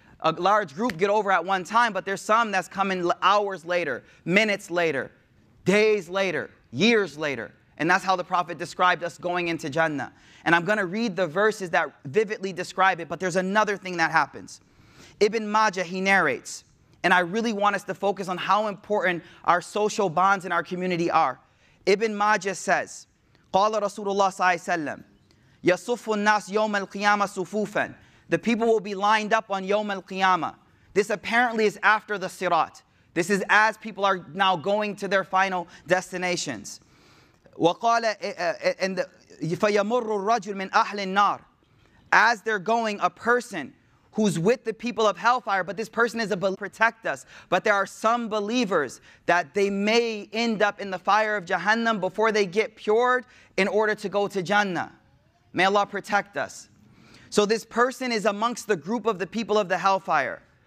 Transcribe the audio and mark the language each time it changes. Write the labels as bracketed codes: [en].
[en] a large group get over at one time, but there's some that's coming hours later, minutes later, days later, years later. And that's how the prophet described us going into Jannah. And I'm going to read the verses that vividly describe it, but there's another thing that happens. Ibn Majah, he narrates, and I really want us to focus on how important our social bonds in our community are. Ibn Majah says, [ar] قال رسول الله صلى الله عليه وسلم يصف الناس يوم القيامة صفوفا. [en] The people will be lined up on [ar] يوم القيامة. [en] This apparently is after the Sirat. This is as people are now going to their final destinations. [ar] وقال فيمر الرجل من أهل النار. [en] As they're going, a person who's with the people of hellfire, but this person is a protect us. But there are some believers that they may end up in the fire of Jahannam before they get cured in order to go to Jannah. May Allah protect us. So this person is amongst the group of the people of the hellfire.